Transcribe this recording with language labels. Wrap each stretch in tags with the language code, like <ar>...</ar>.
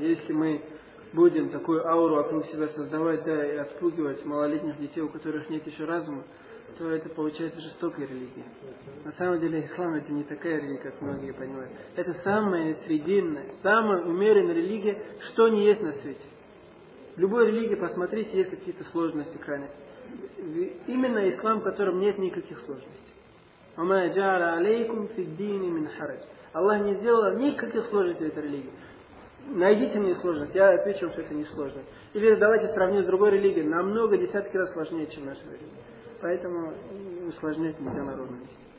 <ru>Если мы будем такую ауру вокруг себя создавать, да, и отпугивать малолетних детей, у которых нет еще разума, то это получается жестокая религия. На самом деле ислам это не такая религия, как многие понимают. Это самая срединная, самая умеренная религия, что не есть на свете. В любой религии, посмотрите, есть какие-то сложности, крайности. Именно ислам, в котором нет никаких сложностей.</ru> <ar>وما جعل عليكم في الدين من حرج.</ar> <ru>Аллах не сделал никаких сложностей в этой религии. Найдите мне сложность, я отвечу вам, что это не сложно. Или давайте сравним с другой религией, намного десятки раз сложнее, чем наша религия. Поэтому усложнять нельзя народу вести.</ru>